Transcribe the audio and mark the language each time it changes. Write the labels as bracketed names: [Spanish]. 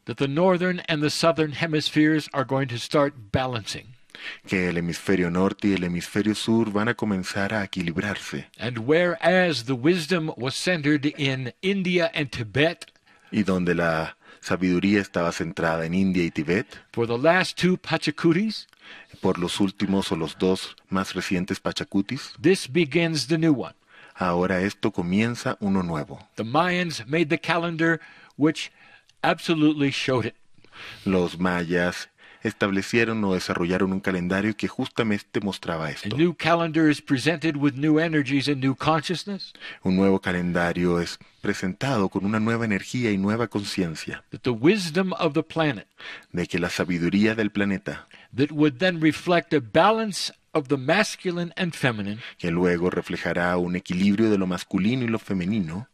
[English] that the northern and the southern hemispheres are going to start balancing. [Spanish] Que el hemisferio norte y el hemisferio sur van a comenzar a equilibrarse. [English] And whereas the wisdom was centered in India and Tibet, [Spanish] y donde la sabiduría estaba centrada en India y Tibet, [English] for the last two Pachacutis, [Spanish] por los últimos o los dos más recientes Pachacutis, [English] this begins the new one. [Spanish] Ahora esto comienza uno nuevo. [English] The Mayans made the calendar which absolutely showed it. [Spanish] Los mayas establecieron o desarrollaron un calendario que justamente mostraba esto. [English] A new calendar is presented with new energies and new consciousness. [Spanish] Un nuevo calendario es presentado con una nueva energía y nueva conciencia. [English] That the wisdom of the planet, [Spanish] de que la sabiduría del planeta, [English] that would then reflect a balance of the masculine and feminine, [Spanish] que luego reflejará un equilibrio de lo masculino y lo femenino,